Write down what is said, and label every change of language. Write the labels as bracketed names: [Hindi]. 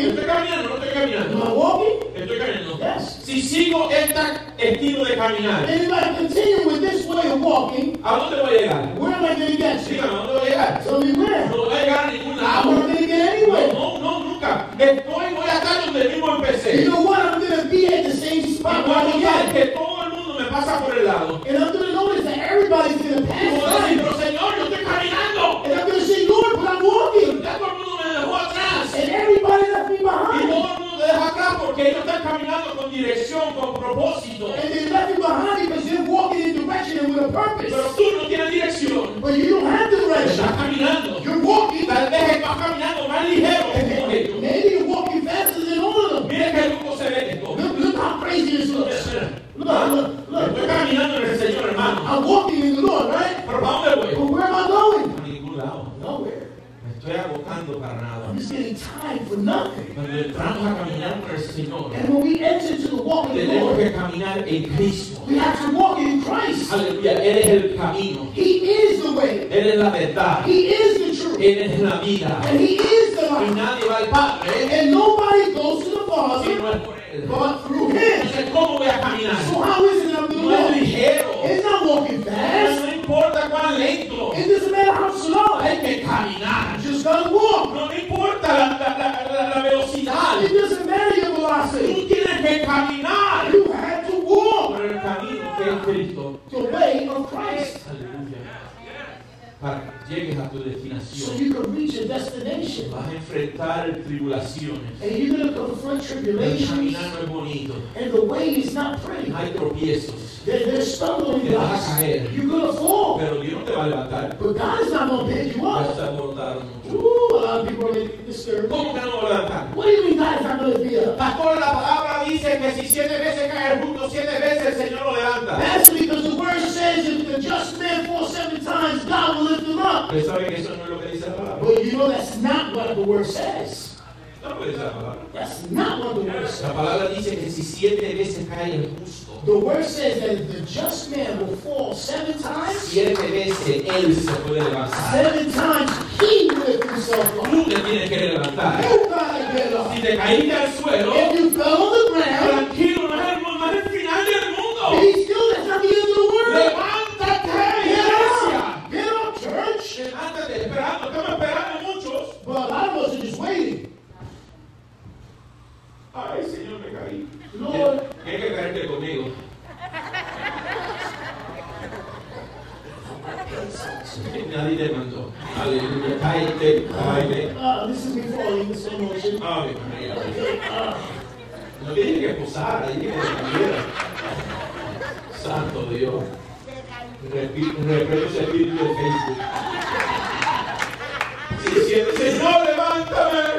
[Spanish] Estoy caminando, no estoy caminando. [English] Am I walking? [Spanish] Estoy caminando. [English] Yes. [Spanish] Si sigo este estilo de caminar, [English] and if I continue with this way of walking, [Spanish] ¿a dónde voy a llegar? [English] Where am I going to get to? [Spanish] Dígame, ¿a dónde voy a llegar? [English] Tell me where. [Spanish] No voy a llegar a ningún lado. [English] I'm not going to get anywhere. [Spanish] No, nunca. Estoy, voy a estar donde mismo empecé. [English] You know what? I'm going to be at the same spot. [Spanish] Y voy a notar que todo el mundo me pasa por el lado. [English] And I'm going to notice that everybody's going to pass by. [Spanish] Y voy a decir, pero Señor, yo estoy caminando. [English] And I'm going to say, Lord, but I'm walking. [Spanish] Ya todo el mundo me dejó atrás. [English] And everybody left me behind. [Spanish] Y todo el mundo me deja atrás porque ellos están caminando con dirección, con propósito. [English] And they left you behind because you're walking in direction and with a purpose. [Spanish] Pero tú no tienes dirección. [English] But you don't have the direction. [Spanish] Estás caminando. [English] You're walking. [Spanish] Tal vez estás caminando más ligero. [English] Maybe you're walking faster than all of them. [Spanish] Mira qué loco se ve esto. [English] Look how crazy this looks. Look. [Spanish] Estoy caminando en el Señor, hermano. [English] I'm walking in the Lord, right? [Spanish] Pero ¿para dónde voy? [English] But where am I going? [Spanish] A ningún lado. [English] Nowhere. [Spanish] Me estoy estoy agotando para nada. [English] I'm just getting tired for nothing. [Spanish] Pero entramos a caminar para el Señor. [English] And when we enter into the walk of the [Spanish] Lord, tenemos que caminar en Cristo. [English] We have to walk in Christ. [Spanish] Aleluya. Él es el camino. [English] He is the way. [Spanish] Él es la verdad. [English] He is the truth. [Spanish] Él es la vida. [English] And he is the life. [Spanish] Y nadie va al Padre. [English] And nobody goes to the Father. [Spanish] Si no es por él. [English] But through him. [Spanish] Entonces, ¿cómo voy a caminar? [English] So how is it that I'm [Spanish] doing? No es ligero. [English] It's not walking fast. [Spanish] No importa cuán lento. [English] It doesn't matter how slow. [Spanish] Hay que caminar. [English] Just gotta walk. [Spanish] No importa la velocidad. [English] It doesn't matter your velocity. [Spanish] Tú tienes que caminar. [English] You have to walk. [Spanish] Por el camino que es Cristo. [English] The way of Christ. [Spanish] Aleluya. Para que llegues a tu destinación. [English] So you can reach your destination. [Spanish] Vas a enfrentar tribulaciones. [English] And you're going to confront tribulations. [Spanish] El caminar no es bonito. [English] And the way is not pretty. [Spanish] Hay tropiezos. [English] There's stumbling blocks. You're gonna fall. [Spanish] Pero Dios te va a levantar. [English] But God is not gonna pick you up. [Spanish] Vas a levantar. [English] Ooh, a lot of people are getting disturbed. [Spanish] ¿Cómo que no levantar? [English] What do you mean, God is not gonna pick you up? [Spanish] Pastor, la palabra dice que si siete veces cae junto, siete veces el Señor lo levanta. [English] That's because the word says if the just man falls seven times, God will lift him up. [Spanish] Pero sabe que eso no es lo que dice la palabra. [English] But you know that's not what the word says. That's not what the word says. [Spanish] La palabra dice que si siete veces cae el justo. [English] The word says that the just man will fall seven times. [Spanish] Siete veces él se puede levantar. [English] Seven times he will himself up. [Spanish] Tú te tienes que levantar. [English] You gotta get up. [Spanish] Si te caíste al suelo. [English] If you fell on the ground. [Spanish] Tranquilo, no es el más final del mundo. [English] Be still, that's not the end of the world. [Spanish] Levántate, iglesia. [English] Get up, church. [Spanish] Levántate, esperando. Estamos esperando muchos. [English] But a lot of us are just waiting. [Spanish] Ay, Señor, me caí. [English] Lord, [Spanish] hay que caerte conmigo. Nadie te mandó. Aleluya. Cállate, cállate. [English] This is me falling in slow motion. [Spanish] Ay, mi María. No tiene que posar, ahí tiene que caer. Santo Dios. Repito ese vídeo de Facebook. Si siente, Señor, levántame.